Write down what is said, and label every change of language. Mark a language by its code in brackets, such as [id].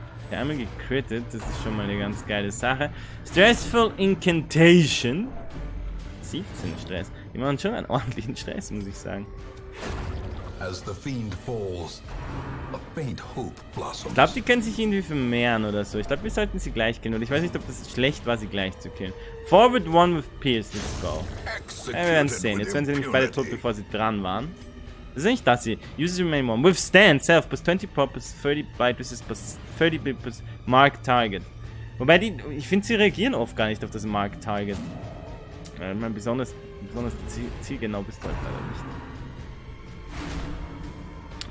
[de] Ja, einmal gecrittet, das ist schon mal eine ganz geile Sache. Stressful Incantation. 17 Stress. Die machen schon einen ordentlichen Stress, muss ich sagen. [en] As the fiend falls, a faint hope blossoms. [de] Ich glaube, die können sich irgendwie vermehren oder so. Ich glaube, wir sollten sie gleich killen. Und ich weiß nicht, ob das schlecht war, sie gleich zu killen. [en] Forward one with Pierce, let's go. [de] Ja, wir werden sehen. Jetzt werden sie nämlich beide tot, bevor sie dran waren. Das ist nicht das hier. [en] Use your main one. Withstand self plus 20 pop plus 30 bite resist plus 30 bit plus mark target. [de] Wobei die, ich finde, sie reagieren oft gar nicht auf das mark target. Ich meine, besonders zielgenau bist du halt leider nicht.